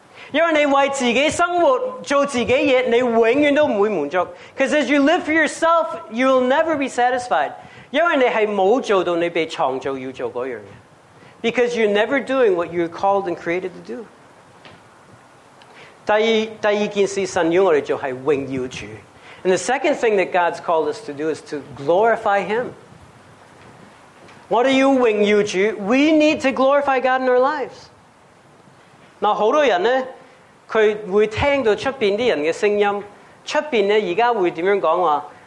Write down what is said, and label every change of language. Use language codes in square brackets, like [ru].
[yue] 因为你为自己生活做自己嘢，你永远都唔会满足。 [en] Because as you live for yourself, you will never be satisfied. [yue] 因为你系冇做到你被创造要做嗰样嘢。 [en] Because you're never doing what you're called and created to do. [yue] 第二件事，神要我哋做系荣耀主。 [en] And the second thing that God's called us to do is to glorify Him. [yue] 我哋要荣耀主 ， [en] we need to glorify God in our lives. [yue] 嗱，好多人咧，佢会听到出边啲人嘅声音，出边咧而家会点样讲话？